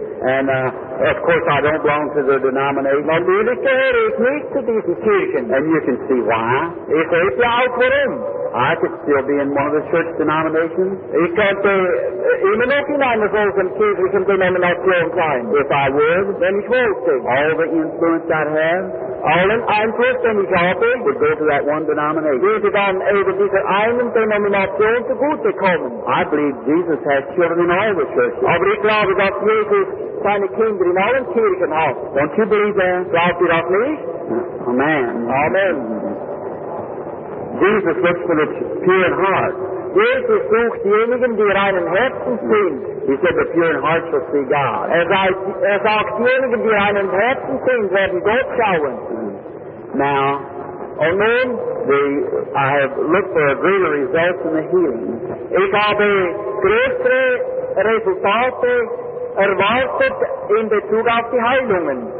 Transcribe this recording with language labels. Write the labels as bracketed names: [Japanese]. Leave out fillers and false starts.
[English] And of course I don't belong to the denomination. [German] Natürlich gehöre ich nicht zu diesen Kirchen. [English] And you can see why. [German] Ich sehe auch warum. [English] I could still be in one of the church denominations. [German] Ich könnte immer noch in einer solchen kirchlichen Denomination sein. [English] If I would, then [German] ich wollte. [English] All the influence I have, all the influence that I have, would go to that one denomination. [German] Würde dann eben dieser einen Denomination zugute kommen. [English] I believe Jesus has children in all the churches. [German] Aber ich glaube, dass Jesus seine Kinder in allen Kirchen hat. [English] Don't you believe that? [German] Glaubst du das nicht? [English] Amen. [German] Amen. [English] Jesus looks for the pure in heart. [German] Jesus sucht diejenigen, die reinen Herzen sind. [English] He said the pure in heart shall see God. [German] Er sagt, diejenigen, die reinen Herzen sind, werden Gott schauen. [English] Now, amen. I have looked for a greater result in the healing. [German] Ich habe größere Resultate erwartet in Bezug auf die Heilungen.